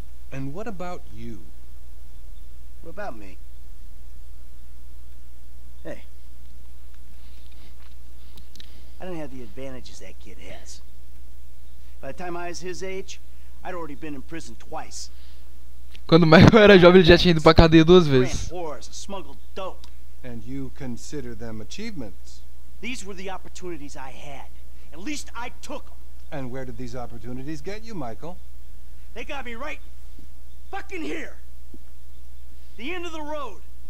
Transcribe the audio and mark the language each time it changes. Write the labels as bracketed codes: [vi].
[en] And what about you? What about me? Hey. I don't have the advantages that kid has. By the time I was his age, I'd already been in prison twice. [pt] Quando o Michael era jovem, ele já tinha ido pra cadeia duas vezes. [en] Wars, smuggled dope. And you consider them achievements? These were the opportunities I had. At least I took them. And where did these opportunities get you, Michael? They got me right fucking here. The end of the road.